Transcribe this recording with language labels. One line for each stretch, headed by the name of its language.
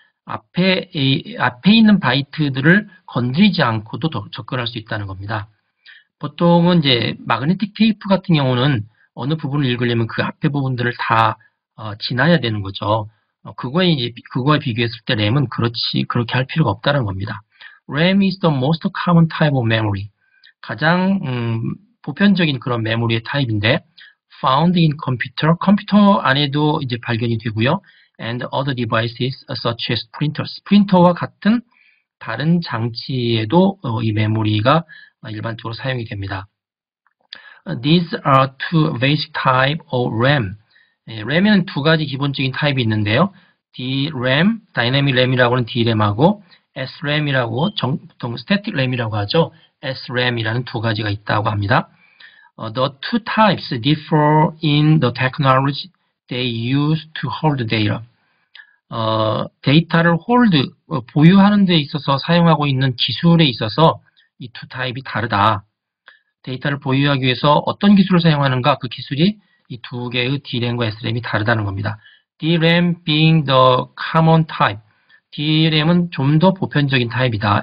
Korean: 앞에 있는 바이트들을 건드리지 않고도 접근할 수 있다는 겁니다. 보통은 이제 마그네틱 테이프 같은 경우는 어느 부분을 읽으려면 그 앞에 부분들을 다 지나야 되는 거죠. 그거에 비교했을 때 램은 그렇게 할 필요가 없다는 겁니다.
English: RAM is the most common type of memory.
Korean: 가장 보편적인 그런 메모리의 타입인데,
English: found in computer,
Korean: 컴퓨터 안에도 이제 발견이 되고요.
English: and other devices such as printers.
Korean: 프린터와 같은 다른 장치에도 이 메모리가 일반적으로 사용이 됩니다.
English: These are two basic types of RAM.
Korean: RAM에는 두 가지 기본적인 타입이 있는데요. DRAM, Dynamic RAM이라고 하는 DRAM하고 SRAM이라고, 보통 Static RAM이라고 하죠. SRAM이라는 두 가지가 있다고 합니다.
English: The two types differ in the technology they use to hold data.
Korean: 데이터를 보유하는 데 있어서 사용하고 있는 기술에 있어서 이두 타입이 다르다. 데이터를 보유하기 위해서 어떤 기술을 사용하는가, 그 기술이 이두 개의 DRAM과 SRAM이 다르다는 겁니다.
English: DRAM being the common type.
Korean: DRAM은 좀더 보편적인 타입이다.